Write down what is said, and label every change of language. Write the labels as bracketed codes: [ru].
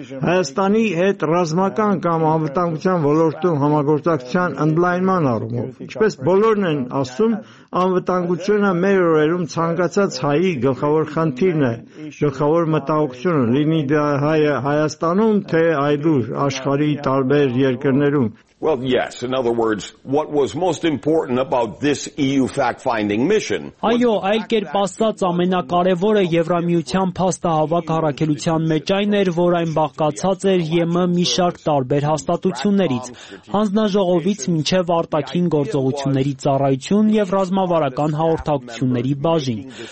[hy] Հայաստանի հետ ռազմական կամ անվտանգության ոլորտում համագործակցության ընդլայնման առումով, ինչպես բոլորն են ասում, անվտանգությունը մեր օրերում ցանկացած հայի գլխավոր խնդիրն է, գլխավոր մտահոգությունը, լինի դա Հայաստանում, թե այլուր աշխարհի տարբեր երկրներում։ [en] Well, yes. In other words, what was most important about this EU fact-finding mission? [hy] Այո, այլ կերպ ասած, ամենակարևորը Եվրամիության փաստահավաք առաքելության մեջ այն էր, որ այն բաղկացած էր ԵՄ մի շարք տարբեր հաստատություններից, հանձնաժողովից մինչև արտաքին գործողությունների ծառայություն և ռազմավարական հաղորդակցությունների բաժին։